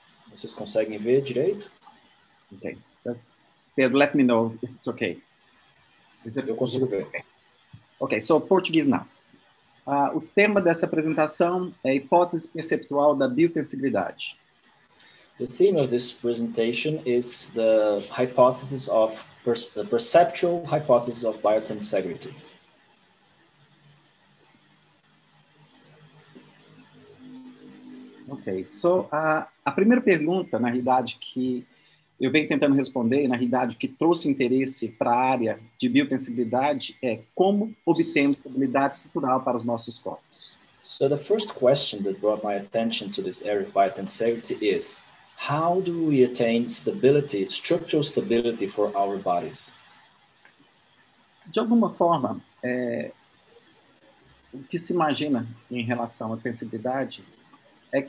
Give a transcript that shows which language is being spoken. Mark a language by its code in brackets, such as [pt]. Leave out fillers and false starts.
[pt] Vocês conseguem ver direito? [en] Okay. Pedro, let me know if it's okay. [pt] Eu consigo ver. [en] Okay, so Portuguese now. [pt] O tema dessa apresentação é a hipótese perceptual da biotensibilidade. [en] The theme of this presentation is the hypothesis of the perceptual hypothesis of biotensegrity. Okay, so [pt] a primeira pergunta, na realidade, que eu venho tentando responder, na realidade, que trouxe interesse para a área de biotensibilidade é como obtemos estabilidade estrutural para os nossos corpos. [en] So the first question that brought my attention to this area of biotensegrity is how do we attain stability, structural stability for our bodies? [pt] De alguma forma, o que se imagina em relação à tensibilidade é que